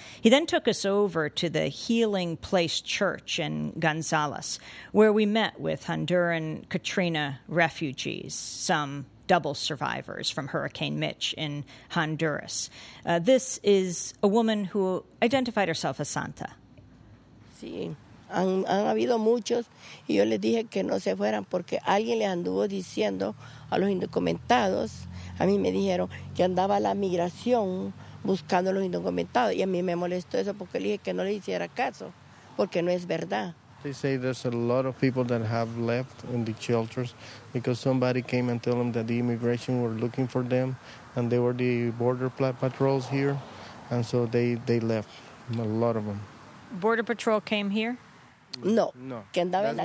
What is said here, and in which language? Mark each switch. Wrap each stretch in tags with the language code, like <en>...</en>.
<en>He then took us over to the Healing Place Church in Gonzales, where we met with Honduran Katrina refugees, some double survivors from Hurricane Mitch in Honduras. This is a woman who identified herself as Santa.</en> <es>Sí. Han habido muchos, y yo les dije que no se fueran porque alguien les anduvo diciendo a los indocumentados. A mí me dijeron que andaba la migración buscando a los indocumentados, y a mí me molestó eso porque le dije que no les hiciera caso, porque no es verdad.</es> <en>They say there's a lot of people that have left in the shelters because somebody came and told them that the immigration were looking for them, and they were the border patrols here, and so they left, a lot of them. Border Patrol came here?</en> <es>No. Que andaba en la</es>